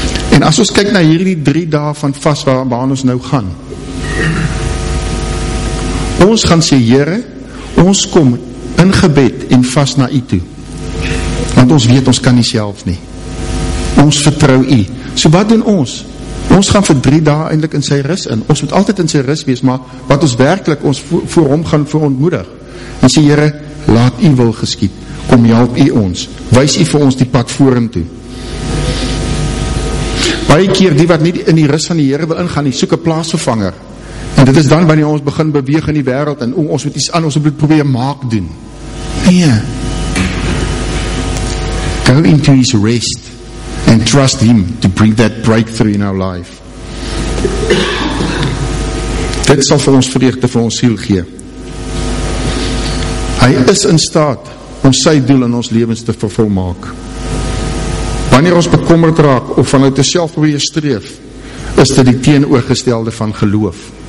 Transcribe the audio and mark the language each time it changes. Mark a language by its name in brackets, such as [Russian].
[Afrikaans] En as ons kyk na hierdie 3 dae van vas waar ons nou gaan, ons gaan sê, Here, ons kom in gebed en vas na U toe, want ons weet ons kan nie self nie. Ons vertrou U. So wat doen ons? Ons gaan vir 3 dae eindelijk in sy rus in. Ons moet altyd in sy rus wees, maar wat ons werkelijk ons voor hom gaan verontmoedig. En sê, Here, laat U wil geskied. Kom, help U ons. Wys U vir ons die pad voor hom toe. Baie keer, die wat nie in die rus van die Here wil ingaan, die soek 'n plaasvervanger. En dit is dan wanneer ons begin beweeg in die wêreld en ons moet iets aan ons moet probeer maak doen. Nee. [English] Go into His rest and trust Him to bring that breakthrough in our life. [Afrikaans] Dit sal vir ons vreugde vir ons siel gee. Hy is in staat om sy doel in ons lewens te vervolmaak. Wanneer ons bekommerd raak of vanuit onsself probeer streef, is dit die teenoorgestelde van geloof.